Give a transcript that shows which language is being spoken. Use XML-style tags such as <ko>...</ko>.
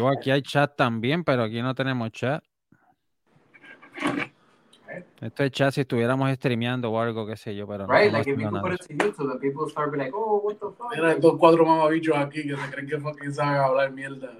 <es>Aquí hay chat también, pero aquí no tenemos chat. Esto es chat si estuviéramos streameando o algo, qué sé yo, pero</es> <en>right, no. Right, like if you put it to YouTube, the people start being like, oh, what the fuck?</en> <es>Mira, estos 4 mamabichos aquí que se creen que fucking saben hablar mierda.</es>